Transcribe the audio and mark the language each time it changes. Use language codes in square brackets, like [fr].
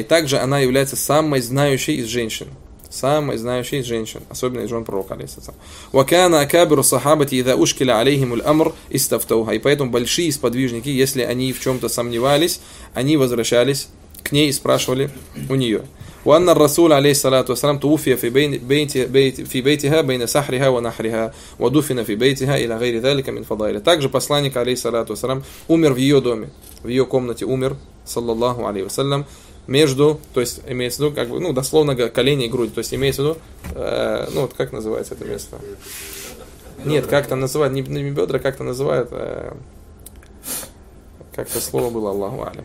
[ru] И также она является самой знающей из женщин. Самой знающей из женщин, особенно из жен пророка, алейхиссалям. [ar] وَكَانَ أَكَابِرُ الصَّحَابَةِ إِذَا أُشْكِلَ عَلَيْهِمُ الْأَمْرُ إِسْتَفْتَوْهَا. [ru] И поэтому большие сподвижники, если они в чем-то сомневались, они возвращались к ней и спрашивали у нее. [ar] وأن الرسول عليه الصلاة والسلام توفي في بيتها بين سحرها ونحرها ودفن في بيتها إلى غير ذلك من فضائل. [ru] Также посланник [ar] عليه الصلاة والسلام [ru] умер в ее доме, в ее комнате умер, [ar] صلى الله عليه وسلم, [ru] между, то есть имеется в виду, как бы, ну, дословно говоря, колени и грудь. То есть имеется в виду, ну, вот как называется это место? Нет, как там называют, не бедра, как там называют, как-то слово было, Аллаху алям.